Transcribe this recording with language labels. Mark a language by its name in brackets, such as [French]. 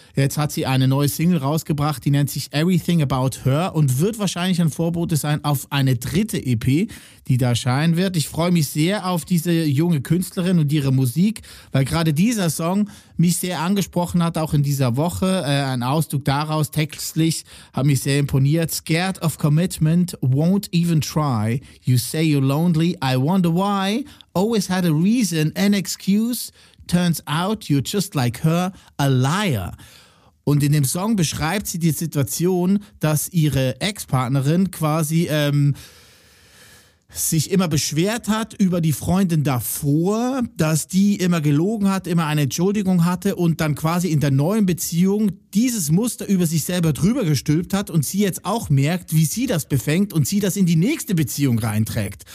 [German] Jetzt hat sie eine neue Single rausgebracht, die nennt sich Everything About Her und wird wahrscheinlich ein Vorbote sein auf eine dritte EP, die da erscheinen wird. Ich freue mich sehr auf diese junge Künstlerin und ihre Musik, weil gerade dieser Song mich sehr angesprochen hat, auch in dieser Woche. Ein Ausdruck daraus, textlich, hat mich sehr imponiert. [English] Scared of commitment, won't even try. You say you're lonely, I wonder why. Always had a reason, an excuse. Turns out you're just like her, a liar. [German] Und in dem Song beschreibt sie die Situation, dass ihre Ex-Partnerin quasi sich immer beschwert hat über die Freundin davor, dass die immer gelogen hat, immer eine Entschuldigung hatte und dann quasi in der neuen Beziehung dieses Muster über sich selber drüber gestülpt hat und sie jetzt auch merkt, wie sie das befängt und sie das in die nächste Beziehung reinträgt.